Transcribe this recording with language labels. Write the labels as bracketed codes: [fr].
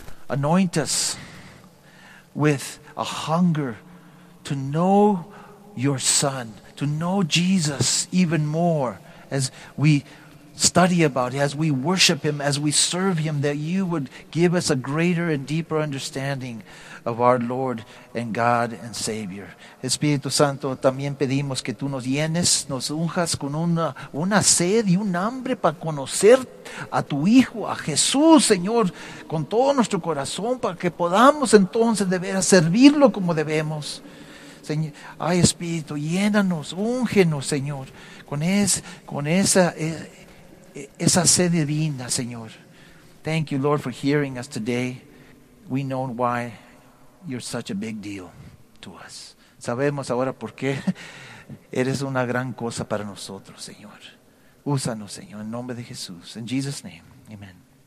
[en] Anoint us with a hunger to know your Son, to know Jesus even more as we study about Him, as we worship Him, as we serve Him, that You would give us a greater and deeper understanding of our Lord and God and Savior. [es] Espíritu Santo, también pedimos que Tú nos llenes, nos unjas con una sed y un hambre para conocer a Tu Hijo, a Jesús, Señor, con todo nuestro corazón, para que podamos entonces de veras servirlo como debemos. Señor, ay Espíritu, llénanos, úngenos, Señor, con esa sed divina, Señor. [en] Thank You, Lord, for hearing us today. We know why You're such a big deal to us. [es] Sabemos ahora por qué eres una gran cosa para nosotros, Señor. Úsanos, Señor, en nombre de Jesús. [en] In Jesus' name, amen.